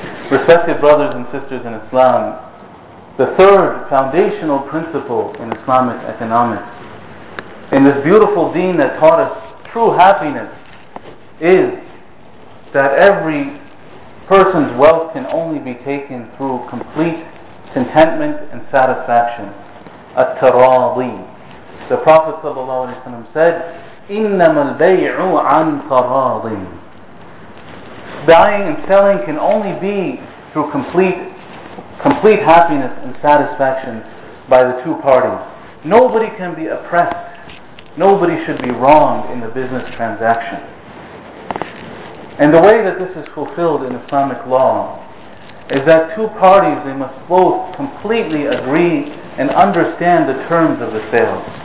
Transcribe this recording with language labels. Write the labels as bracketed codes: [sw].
[en] Respected brothers and sisters in Islam, the third foundational principle in Islamic economics, in this beautiful deen that taught us true happiness, is that every person's wealth can only be taken through complete contentment and satisfaction. At-taradi. The Prophet ﷺ said, [ar] "إِنَّمَا الْبَيْعُ عَنْ تَرَاضٍ." [en] Buying and selling can only be through complete happiness and satisfaction by the two parties. Nobody can be oppressed. Nobody should be wronged in the business transaction. And the way that this is fulfilled in Islamic law is that two parties, they must both completely agree and understand the terms of the sale.